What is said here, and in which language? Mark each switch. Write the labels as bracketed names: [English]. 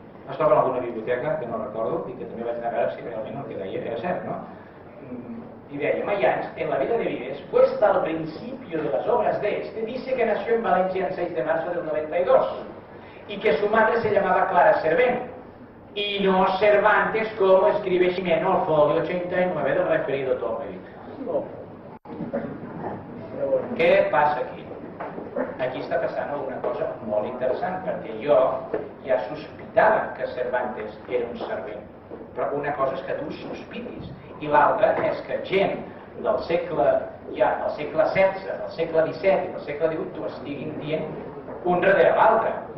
[Catalan] es troba en alguna biblioteca, que no recordo, i que també vaig anar a veure si realment el que deia era cert, no? I deia, [Spanish] Mayans, en la vida de Vives, puesta al principio de las obras de este, dice que nació en València el 6 de marzo del 92, y que su madre se llamaba Clara Servent, y no Cervantes, como escribe Ximeno al folio 89 del referido tome. [Catalan] Què passa aquí? Aquí està passant alguna cosa molt interessant, perquè jo ja sospitava que Cervantes era un servent. Però una cosa és que tu sospitis, i l'altra és que gent del segle, ja, del segle XVI, del segle XVII i del segle XVIII t'ho estiguin dient un darrere l'altre.